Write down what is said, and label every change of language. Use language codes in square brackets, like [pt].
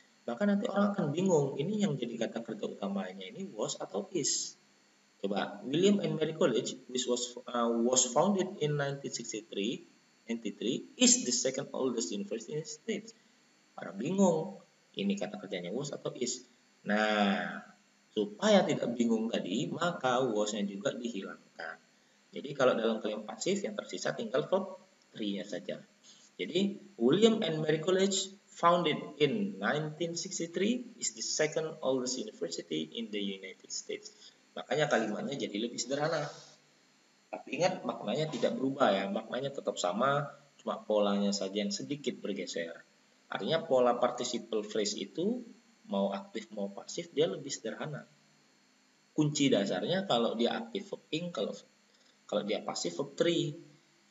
[id] Maka nanti orang akan bingung, ini yang jadi kata kerja utamanya, ini was atau is. [en] Coba, William and Mary College, which was founded in 1963, is the second oldest university in the States. [id] Orang bingung, ini kata kerjanya was atau is. Nah, supaya tidak bingung tadi, maka was-nya juga dihilangkan. Jadi kalau dalam kalimat pasif yang tersisa tinggal verb 3-nya saja. [en] Jadi William and Mary College founded in 1963 is the second oldest university in the United States. [id] Makanya kalimatnya jadi lebih sederhana. Tapi ingat maknanya tidak berubah ya, maknanya tetap sama, cuma polanya saja yang sedikit bergeser. Artinya pola participle phrase itu mau aktif mau pasif dia lebih sederhana. Kunci dasarnya kalau dia aktif verb-ing, kalau dia pasif verb 3.